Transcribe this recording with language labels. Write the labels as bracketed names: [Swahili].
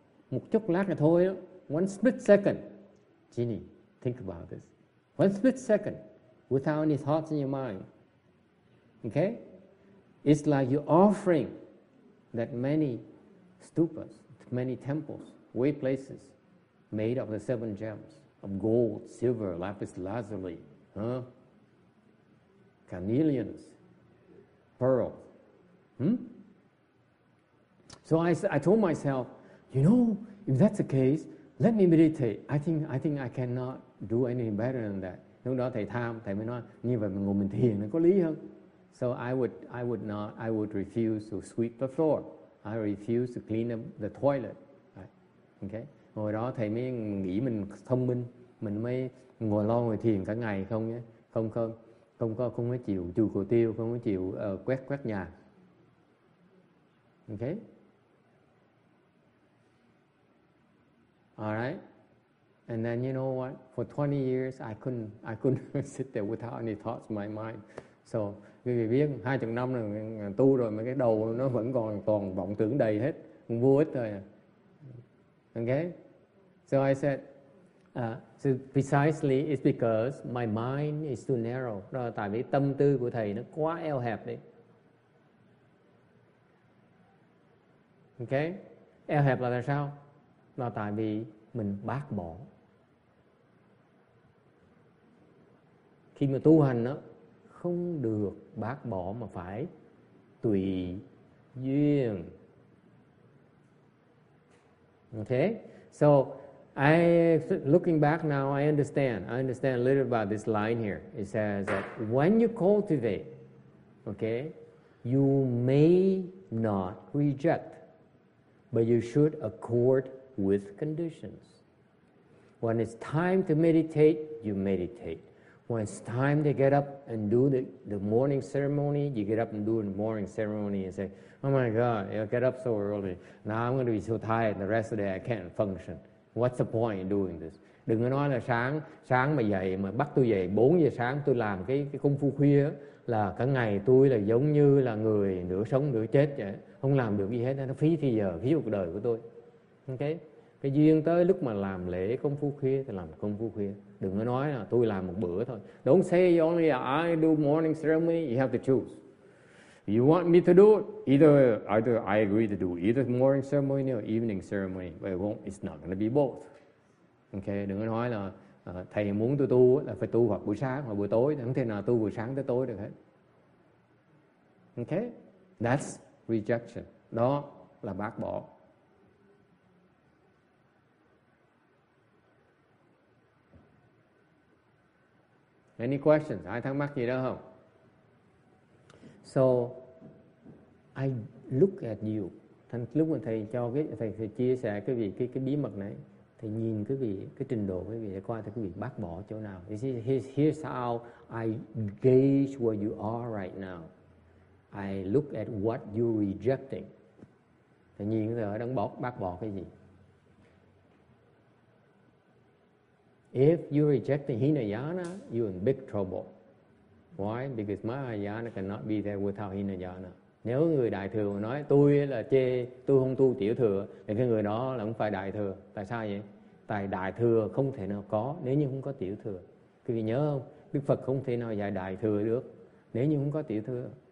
[Vietnamese] Một chốc lát thôi đó, [English] one split second. Jeannie, think about this. One split second, without any thoughts in your mind. Okay? It's like you're offering that many stupas, many temples, way places, made of the seven gems of gold, silver, lapis lazuli, carnelians, pearls. So I told myself, you know, if that's the case, let me meditate. I think I cannot do anything better than that. [Vietnamese] Lúc đó thầy tham, thầy mới nói như vậy mình ngồi mình thiền nó có lý hơn. [English] So I would refuse to sweep the floor. I refuse to clean up the toilet. Okay. [Vietnamese] Hồi đó thầy mới nghĩ mình thông minh, mình mới ngồi lo ngồi thiền cả ngày không nhé, không có chịu chùi cầu tiêu, không có chịu quét nhà. [English] Okay. Alright, and then you know what? For 20 years, I couldn't sit there without any thoughts in my mind. [Vietnamese] So, quý vị biết, 20 năm rồi tu rồi mà cái đầu nó vẫn còn toàn vọng tưởng đầy hết, vô ích thôi. [English] Okay, so I said, so precisely it's because my mind is too narrow. [Vietnamese] Đó là tại vì tâm tư của thầy nó quá eo hẹp đi. Okay, eo hẹp là tại sao? Là tại vì mình bác bỏ. Khi mà tu hành đó, không được bác bỏ mà phải tùy duyên. [English] Okay? So, I looking back now, I understand a little about this line here. It says that when you cultivate, okay, you may not reject, but you should accord with conditions. When it's time to meditate, you meditate. When it's time to get up and do the morning ceremony, you get up and do the morning ceremony and say, oh my God, I get up so early. Now I'm going to be so tired the rest of the day I can't function. What's the point in doing this? [Vietnamese] Đừng có nói là sáng mà dậy, mà bắt tôi dậy 4 giờ sáng tôi làm cái công phu khuya là cả ngày tôi là giống như là người nửa sống nửa chết vậy. Không làm được gì hết, nó phí thì giờ, phí cuộc đời của tôi. Okay. Cái duyên tới lúc mà làm lễ công phu khuya thì làm công phu khuya. Đừng có nói là tôi làm một bữa thôi. [English] Don't say you only I do morning ceremony, you have to choose. You want me to do it? Either I agree to do either morning ceremony or evening ceremony, but it's not going to be both. [Vietnamese] Okay, đừng có nói là thầy muốn tôi tu là phải tu hoặc buổi sáng hoặc buổi tối, không thể nào tu buổi sáng tới tối được hết. [English] Okay? That's rejection. [Vietnamese] Đó là bác bỏ. [English] Any questions? [Vietnamese] Ai thắc mắc gì đó không? [English] So, I look at you. [Vietnamese] Thành lúc mà thầy cho thầy chia sẻ cái vị cái bí mật này, thầy nhìn cái vị cái trình độ cái vị để coi thầy cái vị bác bỏ chỗ nào. [English] Here's how I gauge where you are right now. I look at what you rejecting. [Vietnamese] Thầy nhìn cái thầy đang bác bỏ cái gì? [English] If you reject the Hinayana, you're in big trouble. Why? Because Mahayana cannot be there without Hinayana. [Vietnamese] Nếu người đại thừa nói tôi là chê, tôi không tu tiểu thừa, thì cái người đó là không phải đại thừa. Tại sao vậy? Tại đại thừa không thể nào có nếu như không có tiểu thừa. Quý vị nhớ không? Đức Phật không thể nào dạy đại thừa được nếu như không có tiểu thừa.